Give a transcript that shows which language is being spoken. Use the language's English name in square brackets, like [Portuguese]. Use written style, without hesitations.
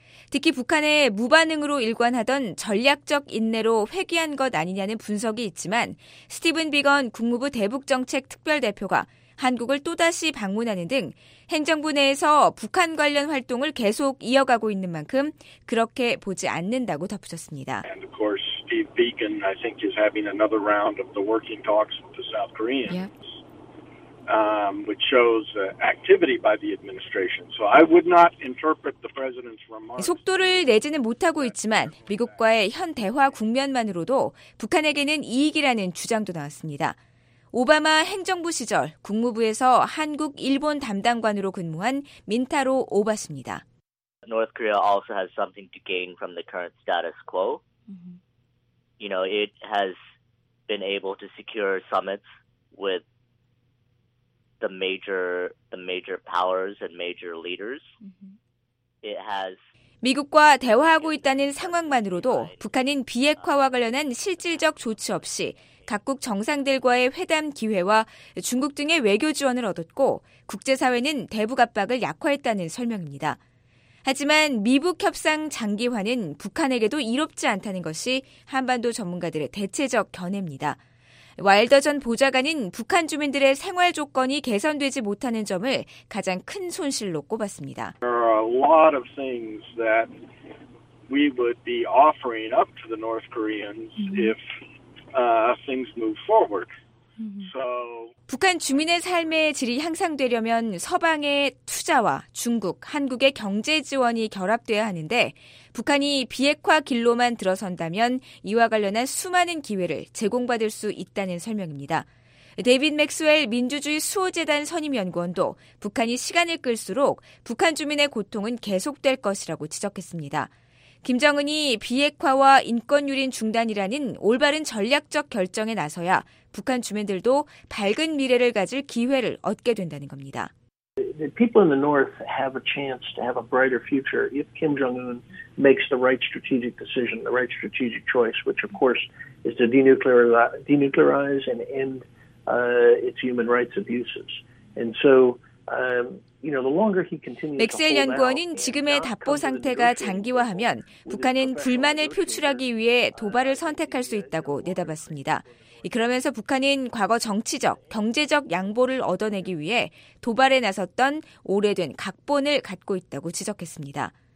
[Korean] 특히 북한의 무반응으로 일관하던 전략적 인내로 회귀한 것 아니냐는 분석이 있지만 스티븐 비건 국무부 대북정책특별대표가 한국을 또다시 방문하는 등 행정부 내에서 북한 관련 활동을 계속 이어가고 있는 만큼 그렇게 보지 않는다고 덧붙였습니다. [English] Steve Beacon, I think, is having another round of the working talks with the South Koreans, which shows activity by the administration. So I would not interpret the president's remarks. [Korean] 속도를 내지는 못하고 있지만 미국과의 현 대화 국면만으로도 북한에게는 이익이라는 주장도 나왔습니다. 오바마 행정부 시절 국무부에서 한국 일본 담당관으로 근무한 민타로 오바십니다. [English] North Korea also has something to gain from the current status quo. You know, it has been able to secure summits with the major powers and major leaders. It has. [Korean] 미국과 대화하고 있다는 상황만으로도 북한은 비핵화와 관련한 실질적 조치 없이 각국 정상들과의 회담 기회와 중국 등의 외교 지원을 얻었고 국제사회는 대북 압박을 약화했다는 설명입니다. 하지만 미북 협상 장기화는 북한에게도 이롭지 않다는 것이 한반도 전문가들의 대체적 견해입니다. 와일더 전 보좌관은 북한 주민들의 생활 조건이 개선되지 못하는 점을 가장 큰 손실로 꼽았습니다. [English] There are a lot of things that we would be offering up to the North Koreans if things move forward. [Korean] 북한 주민의 삶의 질이 향상되려면 서방의 투자와 중국, 한국의 경제 지원이 결합돼야 하는데 북한이 비핵화 길로만 들어선다면 이와 관련한 수많은 기회를 제공받을 수 있다는 설명입니다. 데이빗 맥스웰 민주주의 수호재단 선임연구원도 북한이 시간을 끌수록 북한 주민의 고통은 계속될 것이라고 지적했습니다. 김정은이 비핵화와 인권유린 중단이라는 올바른 전략적 결정에 나서야 북한 주민들도 밝은 미래를 가질 기회를 얻게 된다는 겁니다. [English] The people in the north have a chance to have a brighter future if Kim Jong-un makes the right strategic decision, the right strategic choice, which of course is to denuclearize and end its human rights abuses. And so, you know, the longer he continues. [Korean] 맥스웰 연구원은 지금의 답보 상태가 장기화하면 북한은 불만을 표출하기 위해 도발을 선택할 수 있다고 내다봤습니다. 그러면서 북한은 과거 정치적, 경제적 양보를 얻어내기 위해 도발에 나섰던 오래된 각본을 갖고 있다고 지적했습니다.